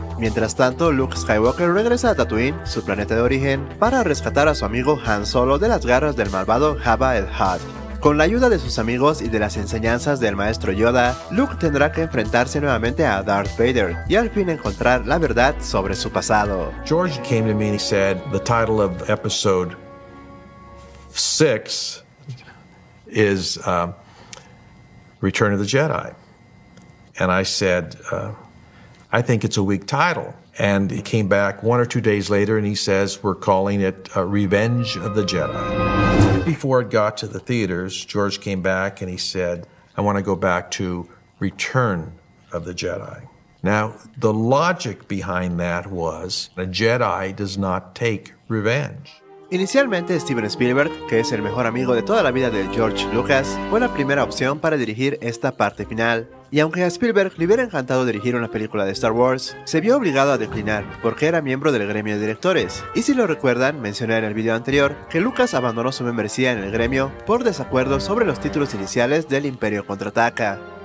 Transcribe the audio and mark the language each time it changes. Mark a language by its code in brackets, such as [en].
[es] Mientras tanto, Luke Skywalker regresa a Tatooine, su planeta de origen, para rescatar a su amigo Han Solo de las garras del malvado Jabba el Hutt. Con la ayuda de sus amigos y de las enseñanzas del maestro Yoda, Luke tendrá que enfrentarse nuevamente a Darth Vader y al fin encontrar la verdad sobre su pasado. [en] George came to me and he said the title of episode 6 is Return of the Jedi. And I said, I think it's a weak title. And he came back one or two days later and he says, we're calling it Revenge of the Jedi. Before it got to the theaters, George came back and he said, I want to go back to Return of the Jedi. Now, the logic behind that was, a Jedi does not take revenge. [es] Inicialmente, Steven Spielberg, que es el mejor amigo de toda la vida de George Lucas, fue la primera opción para dirigir esta parte final. Y aunque a Spielberg le hubiera encantado dirigir una película de Star Wars, se vio obligado a declinar, porque era miembro del gremio de directores. Y si lo recuerdan, mencioné en el video anterior que Lucas abandonó su membresía en el gremio por desacuerdos sobre los títulos iniciales del Imperio Contraataca.